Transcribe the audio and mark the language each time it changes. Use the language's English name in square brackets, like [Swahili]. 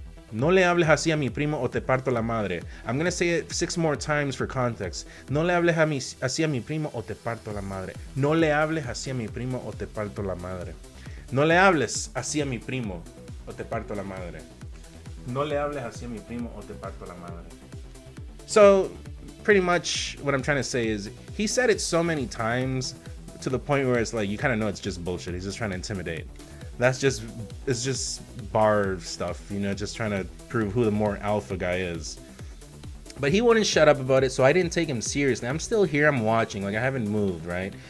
[Spanish] No le hables así a mi primo o te parto la madre. [English] I'm going to say it 6 more times for context. [Spanish] No le hables así a mi primo o te parto la madre. No le hables así a mi primo o te parto la madre. No le hables así a mi primo o te parto la madre. No le hables así a mi primo o te parto la madre. [English] So, pretty much what I'm trying to say is he said it so many times to the point where it's like you kind of know it's just bullshit. He's just trying to intimidate. It's just bar stuff, you know, just trying to prove who the more alpha guy is. But he wouldn't shut up about it, so I didn't take him seriously. I'm still here, I'm watching, like I haven't moved, right?